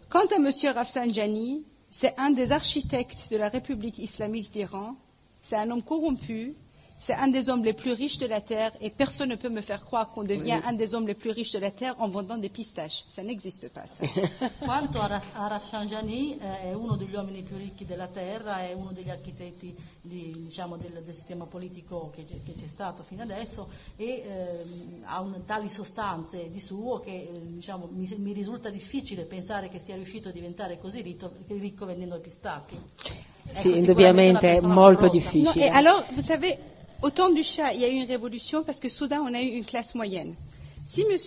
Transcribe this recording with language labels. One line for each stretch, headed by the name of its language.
Italian: Quanto a M.
French: Rafsanjani, c'est un des architectes de la République islamique d'Iran, c'est un homme corrompu, c'est un des hommes les plus riches de la terre, et personne ne peut me faire croire qu'on devient un des hommes les plus riches de la terre en vendant des pistaches. Ça n'existe pas, ça.
Italian: Quanto a Rafsanjani, è uno degli uomini più ricchi della terra, è uno degli architetti diciamo del sistema politico che c'è stato fino adesso, e ha tali sostanze di suo che diciamo mi risulta difficile pensare che sia riuscito a diventare così ricco vendendo i pistacchi. Sì, ecco, indubbiamente è molto difficile. No, e allora,
French: vous savez, au temps du Shah, il y a eu une révolution parce que soudain, on a eu une classe moyenne. Si M.